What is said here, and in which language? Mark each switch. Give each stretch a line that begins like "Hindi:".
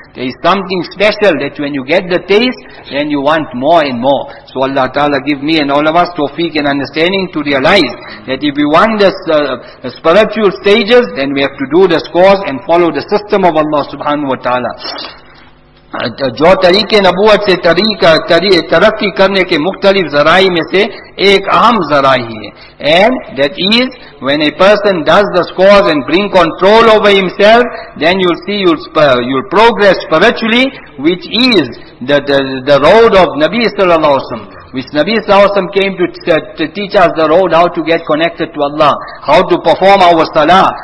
English: There is something special that when you get the taste, then you want more and more. So Allah Ta'ala give me and all of us tawfiq and understanding to realize that if we want the spiritual stages, then we have to do this course and follow the system of Allah Subhanahu Wa Ta'ala.
Urdu: جو طریقے نبوت سے ترقی کرنے کے مختلف ذرائع میں سے ایک اہم ذرائع ہی ہے.
English: And that is when a person does the scores and bring control over himself, then you'll see you'll progress spiritually, which is the road of Nabi sallallahu alaihi wasallam. Which Nabi sallallahu alaihi wasallam came to teach us the road, how to get connected to Allah, how to perform our salah.